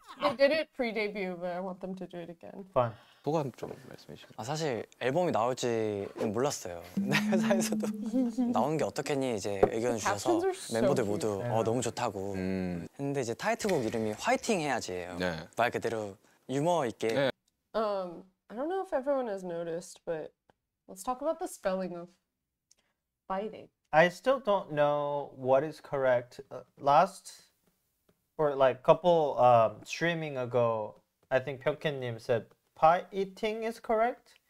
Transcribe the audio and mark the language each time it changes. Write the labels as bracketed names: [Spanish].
[English] They did it pre-debut, but I want them to do it again. Fine. [Korean] 소감 좀 말씀해 주시죠. 아 사실 앨범이 나올지 몰랐어요. 회사에서도 나온 게 어떻겠니 이제 의견 주셔서 멤버들 모두 어, 너무 좋다고. 근데 이제 타이틀곡 이름이 화이팅 해야지예요. 네. 말 그대로 유머 있게. 네. [English] I don't know if everyone has noticed, but let's talk about the spelling of fighting. I still don't know what is correct. Last or like couple streaming ago, I think Pyeongkin Nim said pie eating is correct.